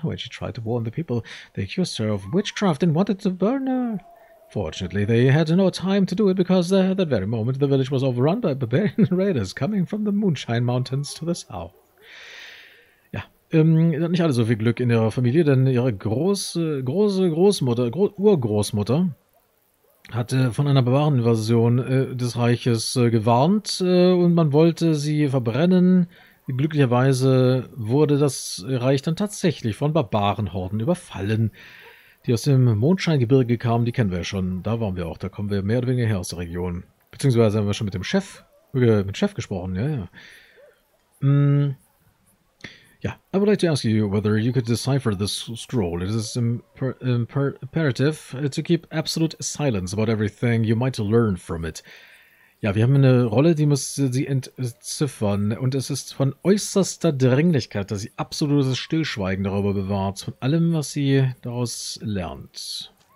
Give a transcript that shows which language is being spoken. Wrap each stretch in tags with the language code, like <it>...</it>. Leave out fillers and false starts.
<en>When she tried to warn the people, they accused her of witchcraft and wanted to burn her. Fortunately, they had no time to do it because at that very moment the village was overrun by barbarian raiders coming from the Moonshine Mountains to the south.</en> <de>Hat nicht alle so viel Glück in ihrer Familie, denn ihre Urgroßmutter hatte von einer Barbareninvasion des Reiches gewarnt und man wollte sie verbrennen. Glücklicherweise wurde das Reich dann tatsächlich von Barbarenhorden überfallen, die aus dem Mondscheingebirge kamen. Die kennen wir ja schon, da waren wir auch, da kommen wir mehr oder weniger her aus der Region. Beziehungsweise haben wir schon mit dem Chef gesprochen, ja.</de> <en>Yeah, I would like to ask you whether you could decipher this scroll. It is imperative to keep absolute silence about everything you might learn from it.</en> <de>Ja, wir haben eine Rolle, die muss sie entziffern. Und es ist von äußerster Dringlichkeit, dass sie absolutes Stillschweigen darüber bewahrt, von allem, was sie daraus lernt.</de>